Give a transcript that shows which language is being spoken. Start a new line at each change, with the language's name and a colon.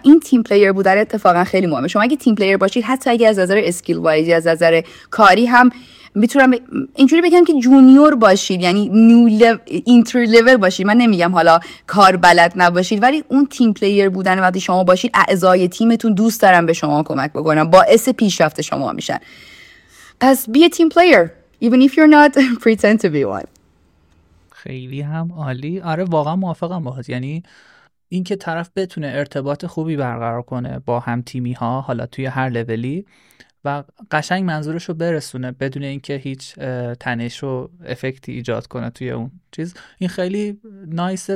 Persian: این تیم پلیر بودن اتفاقا خیلی مهمه. شما اگه تیم پلیر باشید، حتی اگه از نظر اسکیل وایز از نظر کاری هم میتونم اینجوری بگم که جونیور باشید، یعنی اینتری لیول باشید، من نمیگم حالا کار بلد نباشید، ولی اون تیم پلیر بودن وقتی شما باشید، اعضای تیمتون دوست دارن به شما کمک بکنن، باعث پیشرفت شما میشن.
English: پس be a team player even if you're not pretend to be one.
Persian: خیلی هم عالی. آره واقعا موافقم باهات. یعنی این که طرف بتونه ارتباط خوبی برقرار کنه با هم تیمی ها، حالا توی هر لولی، و قشنگ منظورش رو برسونه بدون اینکه هیچ تنش و افکتی ایجاد کنه توی اون چیز، این خیلی نایسه.